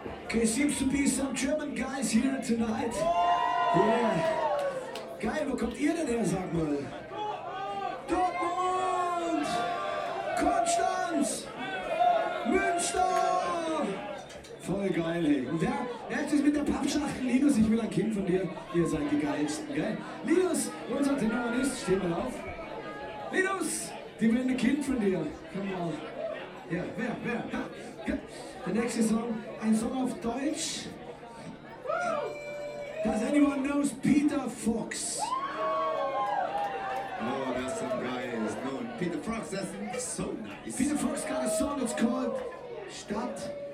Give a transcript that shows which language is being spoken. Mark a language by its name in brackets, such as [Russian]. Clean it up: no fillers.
[English] Okay, seems to be some German guys here tonight. Yeah. [German] Geil, wo kommt ihr denn her, sag mal? Dortmund! Konstanz! Münster! Voll geil, ey. Und wer hat es mit der Pappschachtel? Linus, ich will ein Kind von dir. Ihr seid die Geilsten, gell? Linus, unser Tenorist, steh mal auf. Linus, die will ein Kind von dir. Komm mal. Ja, wer? Ja. [English] The next song, [German] ein Song auf Deutsch. [English] Does anyone know Peter Fox? No, that's some guys. No, Peter Fox, that's so nice. Peter Fox got a song that's called Stadtaffe.